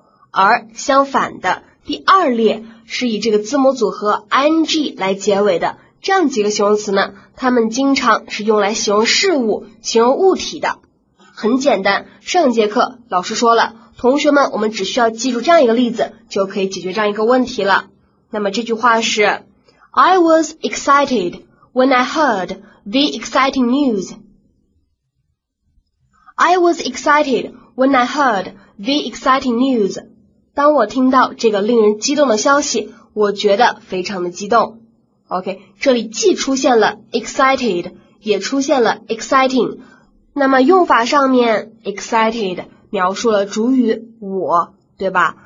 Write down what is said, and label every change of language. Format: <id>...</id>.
<zh>而相反的，第二列是以这个字母组合 ing 来结尾的，这样几个形容词呢，它们经常是用来形容事物、形容物体的。很简单，上节课老师说了，同学们，我们只需要记住这样一个例子，就可以解决这样一个问题了。那么这句话是</zh> <en>I was excited when I heard the exciting news. I was excited when I heard the exciting news.</en> <zh>当我听到这个令人激动的消息，我觉得非常的激动。 OK, 这里既出现了 excited, 也出现了 exciting。那么用法上面 excited 描述了主语我，对吧？</zh>